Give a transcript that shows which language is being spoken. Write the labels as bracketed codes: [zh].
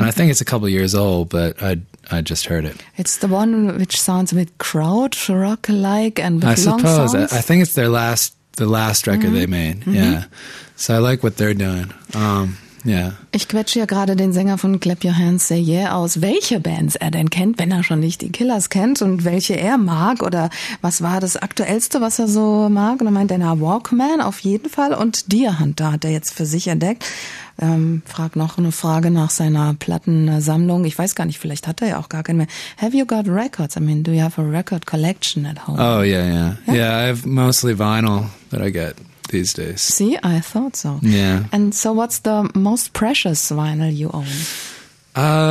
[en] And I think it's a couple of years old, but I just heard it. It's the one which sounds a bit crowd rock like and with long suppose. Songs. I think it's the last record they made. Mm-hmm. Yeah, so I like what they're doing. Yeah. [de] Ich quetsche ja gerade den Sänger von Clap Your Hands, Say Yeah aus, welche Bands er denn kennt, wenn er schon nicht die Killers kennt und welche er mag oder was war das Aktuellste, was er so mag. Und er meint, na, Walkman auf jeden Fall und Deer Hunter hat er jetzt für sich entdeckt. Frag noch eine Frage nach seiner Plattensammlung. Ich weiß gar nicht, vielleicht hat er ja auch gar keinen mehr. [en] Have you got records? I mean, do you have a record collection at home? Oh, yeah. Yeah, I have mostly vinyl that I get these days. See, I thought so. Yeah. And so what's the most precious vinyl you own?